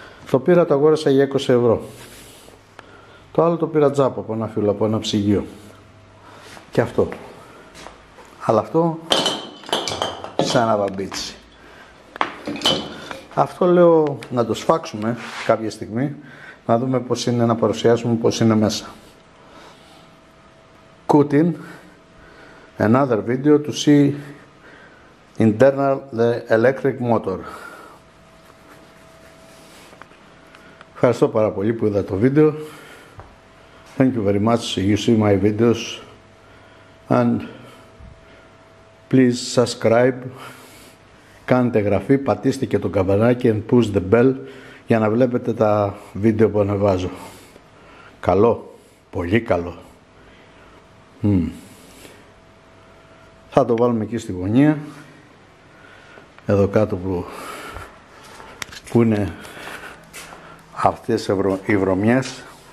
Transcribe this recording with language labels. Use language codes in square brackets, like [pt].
[el] Το πήρα, το αγόρασα για 20 ευρώ. Το άλλο το πήρα τζάπα από ένα φίλο, από ένα ψυγείο. Και αυτό. Αλλά αυτό, σαν να βαμπίτσι. Αυτό λέω να το σφάξουμε κάποια στιγμή. Να δούμε πώς είναι, να παρουσιάσουμε πώς είναι μέσα. [en] Cutting, another video to see internal the electric motor. [el] Ευχαριστώ πάρα πολύ που είδα το βίντεο. [en] Thank you very much, you see my videos. And please subscribe. [el] Κάντε εγγραφή, πατήστε και το καμπανάκι [en] and push the bell. [el] Για να βλέπετε τα βίντεο που ανεβάζω. Καλό. Πολύ καλό. Θα το βάλουμε εκεί στη γωνία. Εδώ κάτω που είναι αυτές οι βρωμιές.